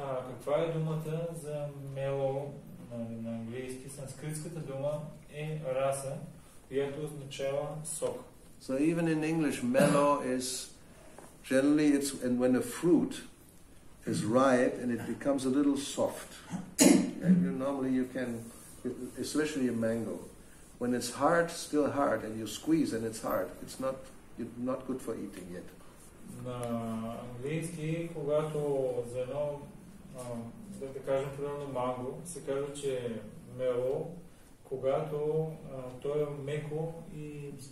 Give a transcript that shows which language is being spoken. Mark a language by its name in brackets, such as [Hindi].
[Bulgarian] Каква е думата за mellow на английски? Санскритската дума е rasa, която означава сок. [English] So even in English, mellow is, generally it's and when a fruit is ripe and it becomes a little soft. Normally you can, especially a mango, when it's hard, still hard, and you squeeze and it's hard, it's not good for eating yet. [Bulgarian] На английски, когато за едно, да кажем, примерно манго, се казва, че е мело, когато то е меко и...